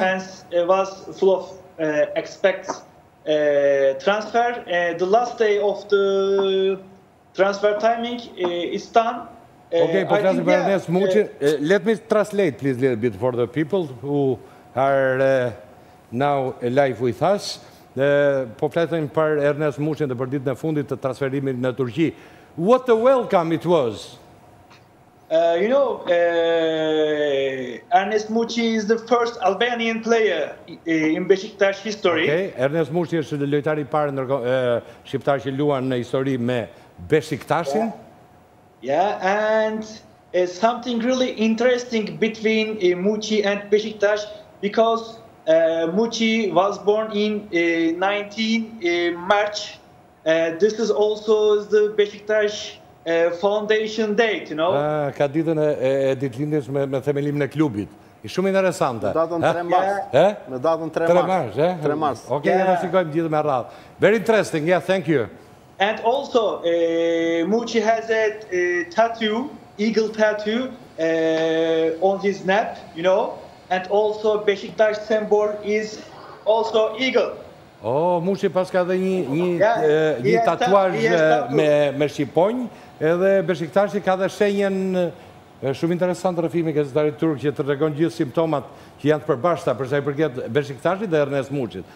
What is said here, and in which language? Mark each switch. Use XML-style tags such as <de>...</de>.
<en>fans was full of transfer. The last day of the transfer timing is done. Okay, because we're not much. Let me translate, please, a little bit for the people who are now live with us.</en> <sq>Po fletin për Ernest Muçin dhe për ditën e fundit të transferimit në Turqi.</sq> <en>What a welcome it was! You know, Ernest Muçi is the first Albanian player in Besiktas history.</en> <sq>Okay, Ernest Muçi është lojtari I parë shqiptar që luan në histori me Besiktasin.</sq> <en>Yeah, and it's something really interesting between Muçi and Besiktas because Muçi was born in 19 March. This is also the Besiktas foundation date, you know.</en> <sq>Ah, ka ditën e ditëlindjes me themelimin e klubit. Është shumë interesante. Datën 3 mars. Ëh? Eh? Në datën 3 mars. 3 mars, ëh? 3 mars.</sq> <en>Okej, okay, yeah.</en> <sq>Ne shikojmë gjithë me radhë.</sq> <en>Very interesting. Yeah, thank you. And also, Muçi has a tattoo, eagle tattoo, on his neck, you know? And also Besiktas symbol is also eagle.</en> <sq>Oh, Muçi pas ka dhe një tatuazh me shqiponj, edhe Besiktasi ka dhe shenjën shumë interesant rrëfimi gazetarit turk që të tregon gjithë simptomat që janë të përbashkëta për sa I përket Besiktasit dhe Ernest Muçit.</sq>